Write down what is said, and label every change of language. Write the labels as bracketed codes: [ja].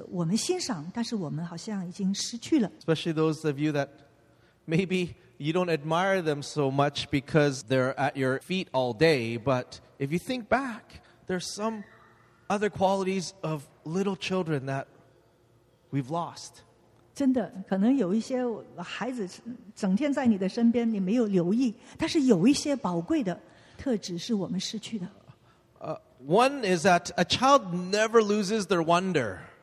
[zh] 有什么小孩子的一些的性情特质是我们欣赏,但是我们好像已经失去了。 [en] Especially those of you that maybe you don't admire them so much because they're at your feet all day, but if you think back, there's some other qualities of little children that we've lost. [zh] 真的,可能有一些孩子整天在你的身边,你没有留意,但是有一些宝贵的特质是我们失去的。 [en] One is that a child never loses their wonder.